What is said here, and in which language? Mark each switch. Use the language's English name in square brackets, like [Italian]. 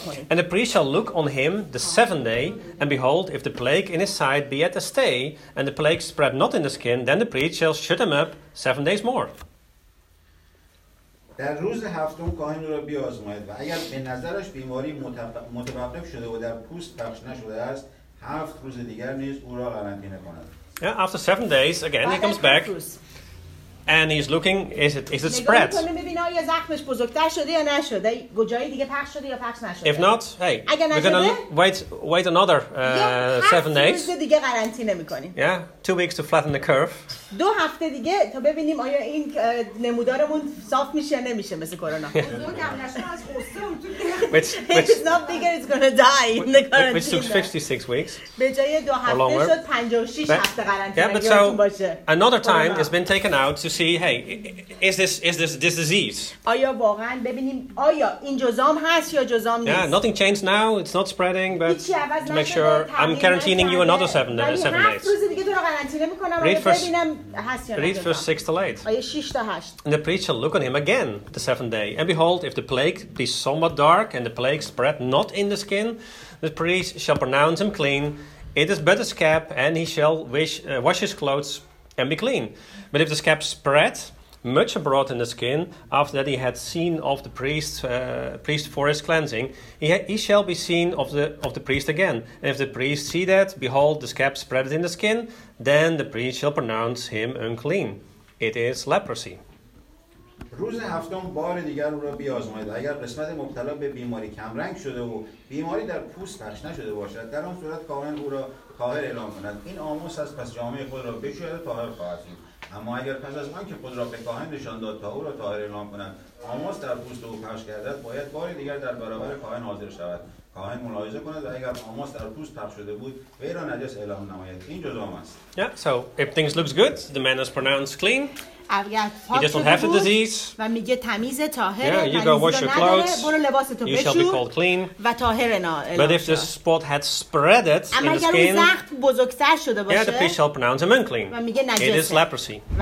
[English] And the priest shall look on him the 7th day, and behold, if the plague in his side be at a stay, and the plague spread not in the skin, then the priest shall shut him up 7 days more. [Persian] در روز هفتم کاهن را بیازماید و اگر به نظرش بیماری متوقف شده و در پوست پخش نشده است 7 روز دیگر نیز او را قرنطینه کند. [English] Yeah, after 7 days again he comes back and he's looking is it spread. [Persian] نگاه کنیم ببینه آیا زخمش بزرگتر شده یا نشده، جایی دیگه پخش شده یا پخش نشده. [English] If not, hey, we're gonna wait another 7 days. [Persian] هفت روز دیگه قرنطینه میکنیم. [English] Yeah, 2 weeks to flatten the curve. [Persian] دو هفته دیگه تا ببینیم آیا این نمودارمون صاف میشه یا نمیشه مثل کرونا. [English] which is not bigger, it's gonna die in the quarantine. Which took 56 weeks. [Persian] به جای دو هفته شد 56 هفته قرنطینه. [English] Yeah, but so another time has been taken out to see, hey, is this disease? [Persian] آیا واقعاً ببینیم آیا این جزام هست یا جزام نیست؟ [English] Yeah, nothing changed now. It's not spreading, but to make sure, I'm quarantining you another 7 days. [Persian] هفت روز دیگه تو رو قرنطینه میکنم. [English] Read first. Read verse 6 to 8. And the priest shall look on him again the 7th day. And behold, if the plague be somewhat dark and the plague spread not in the skin, the priest shall pronounce him clean. It is but a scab, and he shall wash his clothes and be clean. But if the scab spread much abroad in the skin, after that he had seen of the priest for his cleansing, he shall be seen of the priest again. And if the priest see that, behold, the scab spread in the skin, then the priest shall pronounce him unclean. It is leprosy. [Persian] روز هفتم بار دیگر او را بیازماید. اگر قسمت مبتلا به بیماری کمرنگ شده و بیماری در پوست پخش نشده باشد، در آن صورت کاهن او را طاهر اعلام کند. این آموز است، پس جامعه خود را بشوید و طاهر خواهد شد. اما اگر پس از آن که خود را به کاهن نشان داد تا او را طاهر اعلام کند، آموز در پوست او پخش گردد، باید بار دیگر در برابر کاهن حاضر شود. کاهن ملاحظه کند و اگر آموز در پوست پخش شده بود، وی را نجس اعلام نماید. این جزام است. [English] Yeah, so if things looks good, the man is pronounced clean. He just don't have the disease. Yeah, you go wash your clothes. You shall be called clean. But if the spot had spread it in the skin, yeah, the priest shall pronounce him unclean. It is leprosy.